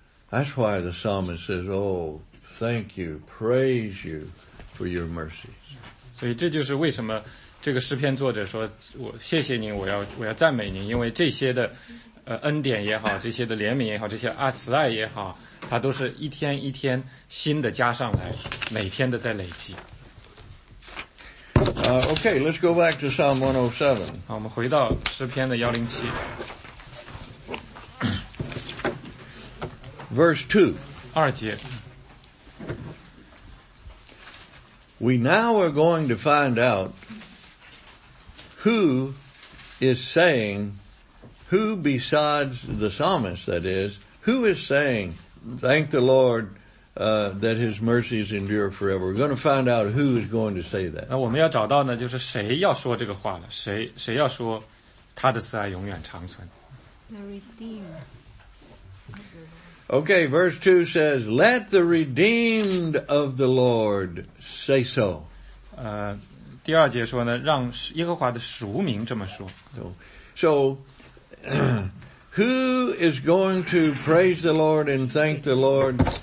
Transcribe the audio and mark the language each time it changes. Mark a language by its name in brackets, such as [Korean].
[English] That's why the psalmist says, oh, thank you, praise you for your mercies. [Chinese] 所以这就是为什么这个诗篇作者说我谢谢您，我要赞美您，因为这些的恩典也好，这些的怜悯也好，这些慈爱也好，它都是一天一天新的加上来，每天的在累积。 [English] Okay, let's go back to Psalm 107. [Chinese] 好，我们回到诗篇的107。 [English] Verse 2. [Chinese] 二节。 [English] We now are going to find out who is saying, who besides the psalmist, that is, who is saying, thank the Lord,that his mercies endure forever. We're going to find out who is going to say that. [Chinese] 那我们要找到呢，就是谁要说这个话了？谁要说他的慈爱永远长存 [English] ？The redeemed. Okay, verse 2 says, "Let the redeemed of the Lord say so." [Chinese] 第二节说呢，让耶和华的赎民这么说。 [English] So. Who is going to praise the Lord and thank the Lord?